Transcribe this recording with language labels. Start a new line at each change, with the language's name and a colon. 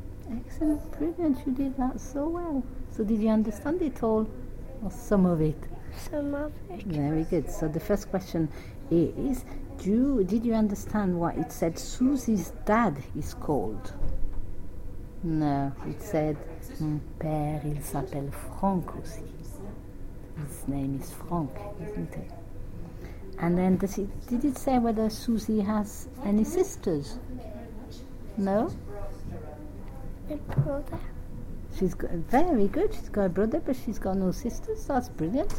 English: Excellent, brilliant, you did that so well. So did you understand it all? Or some of it? Some of it. Very good. So the first question is, did you understand what it said Susie's dad is called? No, it said,
French: mon père, il s'appelle Franck aussi.
English: His name is Franck, isn't it? And then, did it say whether Susie has any sisters? No? A brother. She's got, very good, she's got a brother, but she's got no sisters. That's brilliant.